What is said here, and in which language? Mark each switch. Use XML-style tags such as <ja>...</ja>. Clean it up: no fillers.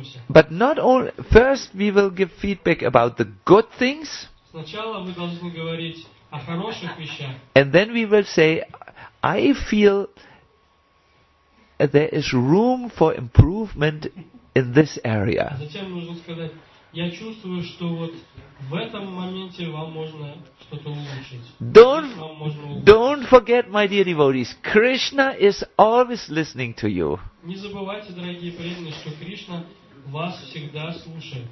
<en>But not only, first we will give feedback about the good things.</en> <ru>Сначала вы должны говорить о хороших вещах.</ru> <en>And then we will say, I feel there is room for improvement in this area.</en> <ru>Затем нужно сказать, я чувствую, что вот в этом моменте вам можно что-то улучшить.</ru> <en>Don't forget, my dear devotees, Krishna is always listening to you.</en> <ru>Не забывайте, дорогие преданные, что Кришна вас всегда слушает.</ru>